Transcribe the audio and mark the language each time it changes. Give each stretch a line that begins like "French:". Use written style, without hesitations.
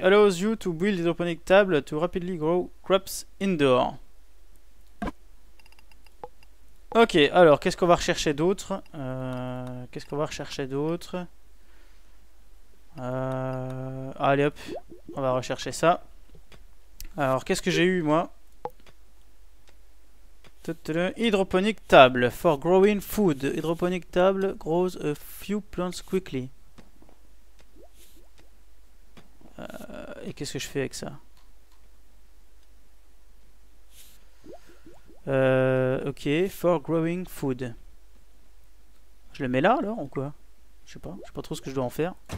English: Allows you to build hydroponic table to rapidly grow crops indoor.
French: Ok, alors qu'est-ce qu'on va rechercher d'autre? Qu'est-ce qu'on va rechercher d'autre? Allez hop, on va rechercher ça. Alors qu'est-ce que j'ai eu moi?
English: Hydroponic table for growing food. Hydroponic table grows a few plants quickly.
French: Et qu'est-ce que je fais avec ça? Ok,
English: for growing food.
French: Je le mets là alors ou quoi? Je sais pas trop ce que je dois en faire.